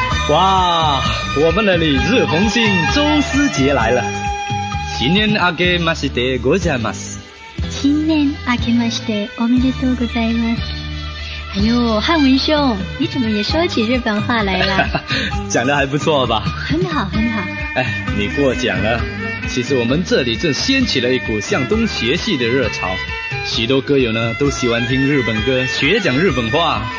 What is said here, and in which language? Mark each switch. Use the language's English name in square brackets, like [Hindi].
[Chinese] 哇，我们的李日红杏周思杰来了。 [Japanese] 新年明けましてございます。新年明けましておめでとうございます。 [Chinese] 哎呦，汉文兄，你怎么也说起日本话来了？讲得还不错吧？很好很好。哎，你过奖了。其实我们这里正掀起了一股向东学习的热潮，许多歌友呢都喜欢听日本歌，学讲日本话。